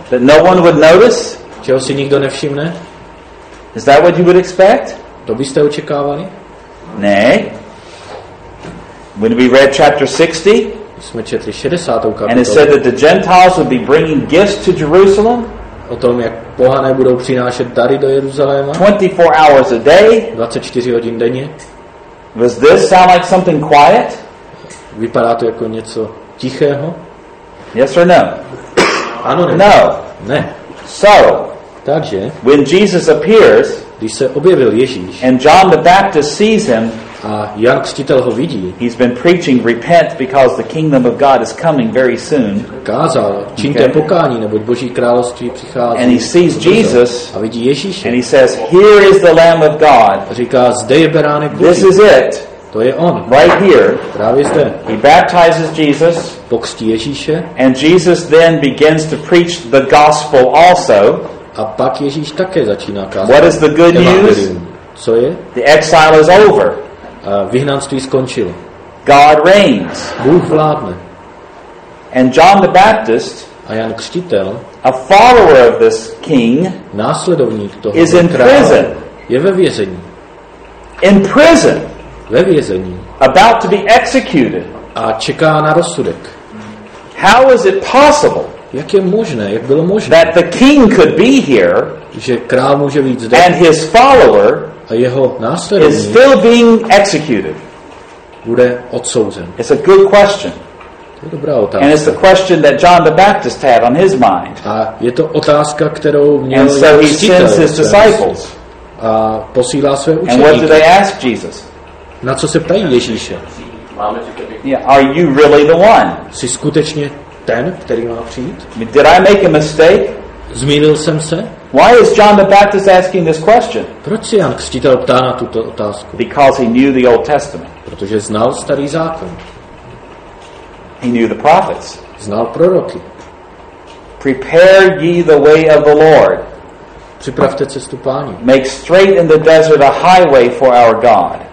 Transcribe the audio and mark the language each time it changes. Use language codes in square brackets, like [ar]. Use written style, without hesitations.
[en] That no one would notice? [cs] Čeho si nikdo nevšimne? [en] Is that what you would expect? [cs] To byste očekávali? Ne. [en] When we read chapter 60, [cs] jsme četli 60. kapitolu. [en] And it said that the Gentiles would be bringing gifts to Jerusalem. [cs] O tom, jak pohané budou přinášet dary do Jeruzaléma. [en] 24 hours a day. [cs] 24 hodin denně. [en] Does this sound like something quiet? [cs] Vypadá to jako něco tichého? [en] Yes or no? [cs] Ano, ne. [en] No. [cs] Ne. [en] So, [cs] takže, [en] when Jesus appears, [cs] když se objevil Ježíš, [en] and John the Baptist sees him, [cs] a Jan Křtitel ho vidí, [en] he's been preaching, repent, because the kingdom of God is coming very soon. [cs] Kázal, čiňte pokání, neboť Boží království přichází. [en] And he sees Jesus, [cs] a vidí Ježíše, [en] and he says, here is the Lamb of God. [cs] Říká, zde je Beránek Boží. [en] This is it. [cs] To je on. [en] Right here. [cs] Právě zde. [en] He baptizes Jesus. [cs] Pokřtí Ježíše. [en] And Jesus then begins to preach the gospel also. [cs] A pak Ježíš také začíná kázat. [en] What is the good news? [cs] Co je? [en] The exile is over. [cs] Vyhnanství skončilo. [en] God reigns. [cs] Bůh vládne. [en] And John the Baptist, [cs] a Jan Křtitel, [en] a follower of this king, [cs] následovník toho, [en] is in prison. [cs] Je ve vězení. [en] In prison. [cs] Ve vězení. [en] About to be executed. [cs] A čeká na rozsudek. [en] How is it possible? [cs] Jak je možné? Jak bylo možné? [en] That the king could be here, [cs] že král může být zde, [en] and his follower, [cs] a jeho následovník, [en] is still being executed. [cs] Bude odsouzen. [en] It's a good question. [cs] To je dobrá otázka. [en] And it's the question that John the Baptist had on his mind. [cs] A je to otázka, kterou měl [en] so he sends his disciples. [cs] A posílá své učeníky. [en] And what do they ask Jesus? [cs] Na co se ptají Ježíše? máme ty kdyby. [en] Yeah, are you really the one? [cs] Jsi skutečně ten, který má přijít? [en] Did I make a mistake? [cs] Zmýlil jsem se? [en] Why is John the Baptist asking this question? [cs] Proč se Jan Křtitel ptá na tuto otázku? [en] Because he knew the Old Testament. [cs] Protože znal starý zákon. [en] He knew the prophets. [cs] Znal proroky. [en] Prepare ye the way of the Lord. [cs] Připravte cestu Páně. [en] Make straight in the desert a highway for our God.